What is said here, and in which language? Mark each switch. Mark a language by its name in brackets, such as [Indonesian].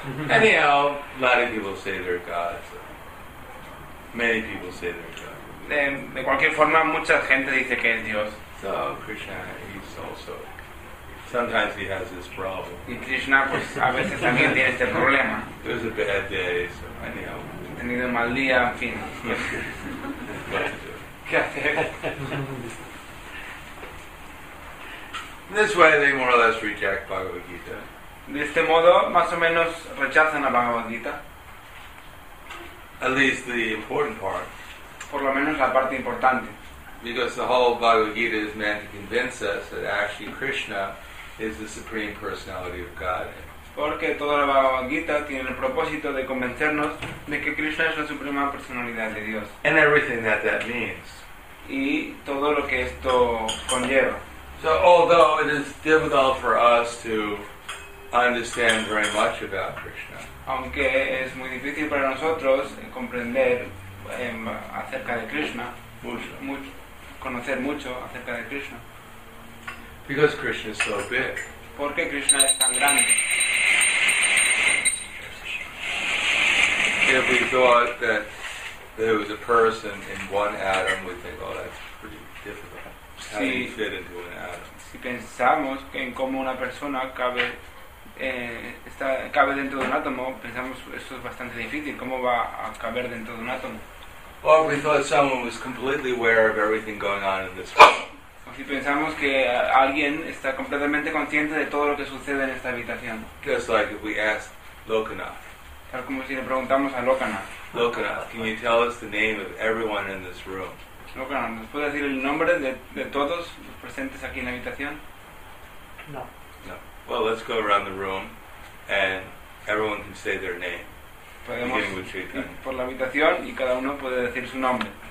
[English] Anyhow, a lot of people say they're gods. Many people say they're gods. [Spanish] De cualquier forma, mucha gente dice que es Dios. [English] So Krishna, he's also. Sometimes he has this problem. [Spanish] Y Krishna, pues a veces también tiene este problema. [English] It was a bad day, so anyhow. [Spanish] He tenido mal día, en fin. ¿Qué hacer? [English] This way they more or less reject Bhagavad Gita. [Spanish] De este modo, más o menos rechazan a Bhagavad Gita. [English] At least the important part. [Spanish] Por lo menos la parte importante. [English] Because the whole Bhagavad Gita is meant to convince us that actually Krishna is the Supreme Personality of Godhead. [Spanish] Porque toda la Bhagavad Gita tiene el propósito de convencernos de que Krishna es la Suprema Personalidad de Dios. [English] And everything that that means. [Spanish] Y todo lo que esto conlleva. [English] So although it is difficult for us to understand very much about Krishna. [Spanish] Aunque es muy difícil para nosotros comprender acerca de Krishna. Conocer mucho acerca de Krishna. [English] Because Krishna is so big. [Spanish] Porque Krishna es tan grande. [English] If we thought that there was a person in one atom, we'd think, oh, that's pretty difficult. How do you fit into an atom? [Spanish] Si pensamos en cómo una persona cabe, cabe dentro de un átomo, pensamos, esto es bastante difícil, ¿cómo va a caber dentro de un átomo? [English] Or we thought someone was completely aware of everything going on in this room. [Spanish] O si pensamos que alguien está completamente consciente de todo lo que sucede en esta habitación. [English] Just like if we asked Lokanath. [Spanish] Tal como si le preguntamos a Lokanath. [English] Lokanath, can you tell us the name of everyone in this room? [Spanish] Lokanath, ¿nos puede decir el nombre de todos los presentes aquí en la habitación? [English] No. [Spanish] No. [English] Well, let's go around the room and everyone can say their name. [Spanish] Podemos ir por la habitación y cada uno puede decir su nombre.